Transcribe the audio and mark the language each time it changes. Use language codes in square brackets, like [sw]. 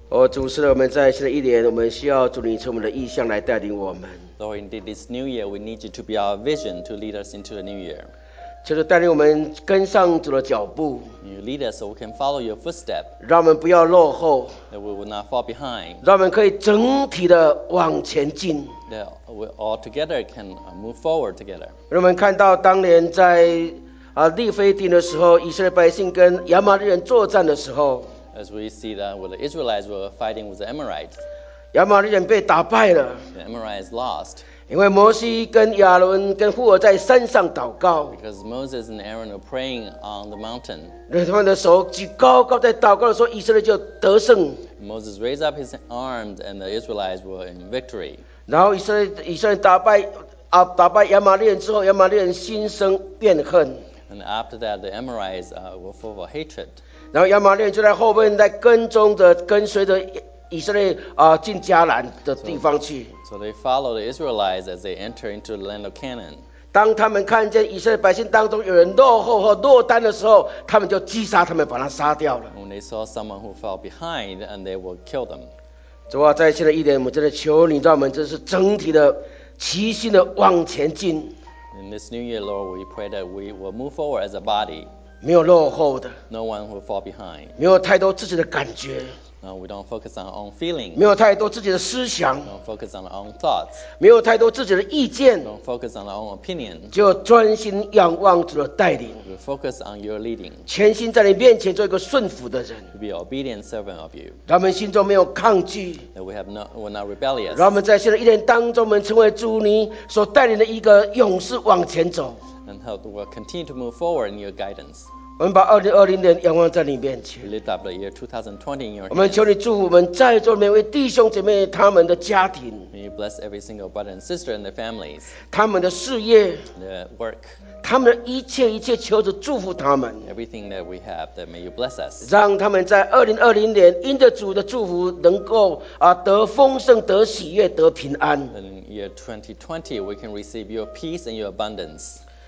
[zh] 主使我们在新的一年，我们需要主你从我们的意象来带领我们。 [en] Lord, indeed, this new year, we need you to be our vision to lead us into a new year. [zh] 求主带领我们跟上主的脚步。 [en] You lead us so we can follow your footstep. [zh] 让我们不要落后。 [en] That we will not fall behind. [zh] 让我们可以整体的往前进。 [en] That we all together can move forward together. [zh] 让我们看到当年在利非定的时候，以色列百姓跟亚玛力人作战的时候。 [en] As we see that when the Israelites were fighting with the Amorites, [zh] 亚玛力人被打败了。 [en] The Amorites lost. [zh] 因为摩西跟亚伦跟户珥在山上祷告。 [en] Because Moses and Aaron were praying on the mountain. [zh] 他们的手举高高在祷告的时候，以色列就得胜。 [en] Moses raised up his arms, and the Israelites were in victory. [zh] 然后以色列打败亚玛力人之后，亚玛力人心生怨恨。 [en] And after that, the Amorites were full of hatred. [zh] 然后亚玛力人就在后面在跟随着以色列进迦南的地方去。 [en] So they follow the Israelites as they enter into the land of Canaan. [zh] 当他们看见以色列百姓当中有人落后和落单的时候，他们就击杀他们，把他杀掉了。 [en] When they saw someone who fell behind, and they will kill them. [zh] 主啊，在新的一年，我们真的求你，让我们真是整体的齐心的往前进。 [en] In this new year, Lord, we pray that we will move forward as a body. [zh] 没有落后的 [en] no one will fall behind. [zh] 没有太多自己的感觉 [en] no, we don't focus on our own feelings. [zh] 没有太多自己的思想 [en] don't focus on our own thoughts. [zh] 没有太多自己的意见 [en] don't focus on our own opinion. [zh] 就专心仰望主的带领 [en] we focus on your leading. [zh] 全心在你面前做一个顺服的人 [en] be obedient servant of you. [zh] 让我们心中没有抗拒 [en] that we're not rebellious. [zh] 让我们在新的一年当中，我们成为主你所带领的一个勇士往前走 [en] and help the world continue to move forward in your guidance. [zh] 我们把2020年仰望在你面前。 [en] We lift up the year 2020 in your hands. [zh] 我们求你祝福我们在座每位弟兄姐妹他们的家庭。 [en] May you bless every single brother and sister and their families. [zh] 他们的事业。 [en] Their work. [zh] 他们的一切求主祝福他们。 [en] Everything that we have, that may you bless us. [zh] 让他们在2020年因着主的祝福能够得丰盛、得喜悦、得平安。 [en] In year 2020, we can receive your peace and your abundance.